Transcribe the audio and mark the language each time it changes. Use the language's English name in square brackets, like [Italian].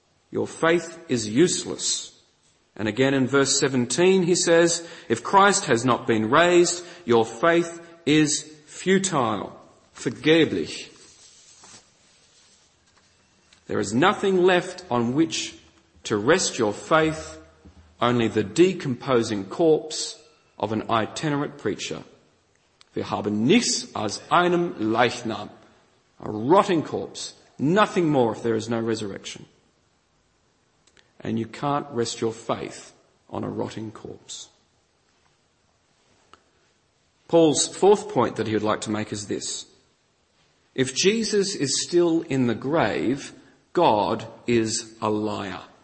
[English] Your faith is useless. And again in verse 17 he says, if Christ has not been raised, your faith is futile, vergeblich. There is nothing left on which to rest your faith, only the decomposing corpse of an itinerant preacher. [German] Wir haben nichts als einem Leichnam. [English] A rotting corpse. Nothing more if there is no resurrection. And you can't rest your faith on a rotting corpse. Paul's fourth point that he would like to make is this. If Jesus is still in the grave, God is a liar.